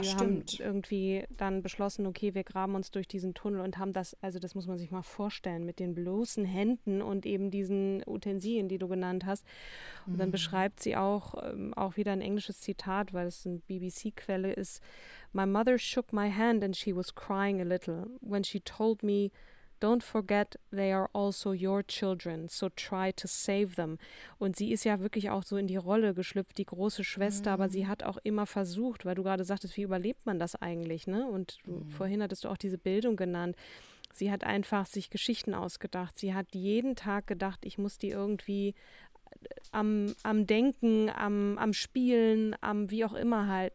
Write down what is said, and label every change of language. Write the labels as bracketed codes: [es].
[de] sie stimmt. haben irgendwie dann beschlossen, okay, wir graben uns durch diesen Tunnel und haben das, also das muss man sich mal vorstellen, mit den bloßen Händen und eben diesen Utensilien, die du genannt hast. Und dann beschreibt sie auch wieder ein englisches Zitat, weil es eine BBC-Quelle ist. [en] My mother shook my hand and she was crying a little when she told me, don't forget, they are also your children, so try to save them. [de] Und sie ist ja wirklich auch so in die Rolle geschlüpft, die große Schwester, aber sie hat auch immer versucht, weil du gerade sagtest, wie überlebt man das eigentlich, ne? Und vorhin hattest du auch diese Bildung genannt. Sie hat einfach sich Geschichten ausgedacht. Sie hat jeden Tag gedacht, ich muss die irgendwie am Denken, am Spielen, am wie auch immer halt.